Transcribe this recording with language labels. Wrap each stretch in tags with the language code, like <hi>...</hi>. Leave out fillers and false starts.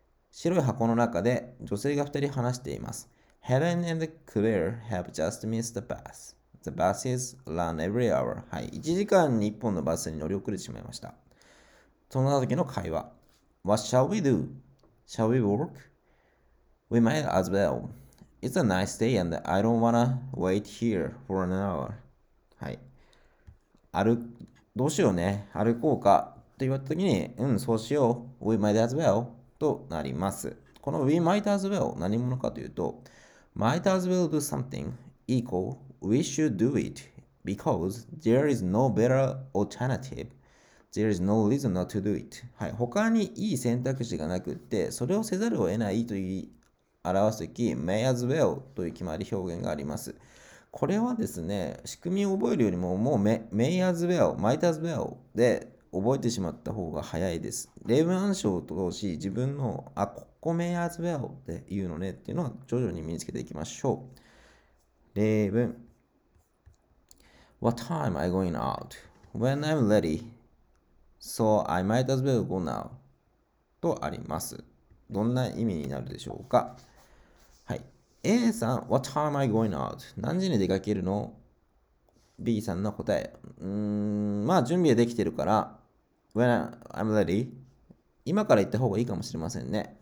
<ja>白い箱の中で女性が2人話しています。</ja> <en>Helen and Claire have just missed the bus. The buses run every hour. はい。</en> <ja>1時間に1本のバスに乗り遅れてしまいました。そんな時の会話。</ja> <en>What shall we do? Shall we walk? We might as well. It's a nice day and I don't wanna wait here for an hour.</en> <ja>はい。どうしようね。歩こうか。と言われた時に、そうしよう。</ja> <en>We might as well.</en> <ja>となります。この</ja> <en>We might as well</en> <ja>何者かというと、</ja> <en>Might as well do something equal we should do it because there is no better alternative. There is no reason not to do it.</en> <ja>はい。他にいい選択肢がなくって、それをせざるを得ないと言い表すとき、</ja> <en>may as well</en> <ja>という決まり表現があります。これはですね、仕組みを覚えるよりも、もう</ja> <en>may as well, might as well</en> <ja>で覚えてしまった方が早いです。例文暗唱を通し、自分の、ここ</ja> <en>may as well</en> <ja>って言うのねっていうのは徐々に身につけていきましょう。</ja> <en>例文。What time are you going out?When I'm ready.So I might as well go now.</en> <ja>とあります。どんな意味になるでしょうか。は A さん、</ja> <en>What time are you going out?</en> <ja>何時に出かけるの？B さんの答え。まあ、準備はできてるから。</ja> <en>When I'm ready?</en> <ja>今から行った方がいいかもしれませんね。</ja>